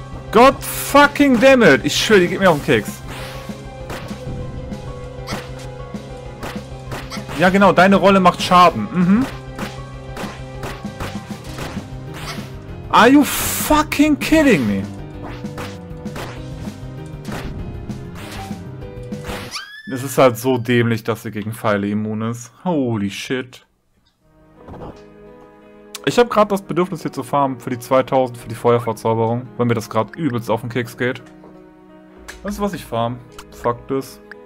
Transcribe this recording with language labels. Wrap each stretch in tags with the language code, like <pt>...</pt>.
<en>God fucking damn it!</en> <de>Ich schwöre, die geht mir auf den Keks. Ja, genau, deine Rolle macht Schaden.</de> <en>Are you fucking kidding me?</en> <de>Es ist halt so dämlich, dass sie gegen Pfeile immun ist.</de> <en>Holy shit.</en> <de>Ich habe gerade das Bedürfnis hier zu farmen für die 2000, für die Feuerverzauberung, weil mir das gerade übelst auf den Keks geht. Das ist, was ich farm. Fakt ist.</de>